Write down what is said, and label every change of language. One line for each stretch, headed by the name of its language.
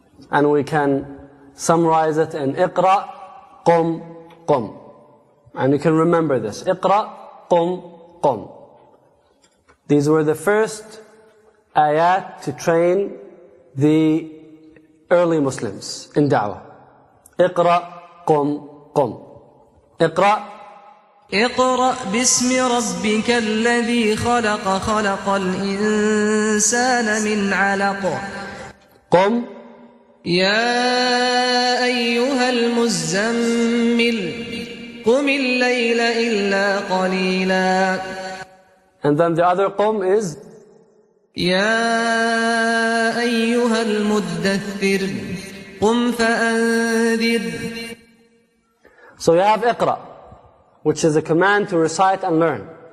English: And we can summarize it in iqra, qum, qum. And you can remember this. Iqra, qum, qum. These were the first ayat to train the early Muslims in da'wah. Iqra, qum, qum. Iqra,
Arabic: اقرأ باسم ربك الذي خلق خلق الإنسان من علق قم يا أيها المزمل قم الليل إلا قليلا.
English: And then the other قم is
Arabic: يا أيها المدثر قم فأنذر.
English: So you have اقرأ, which is a command to recite and learn.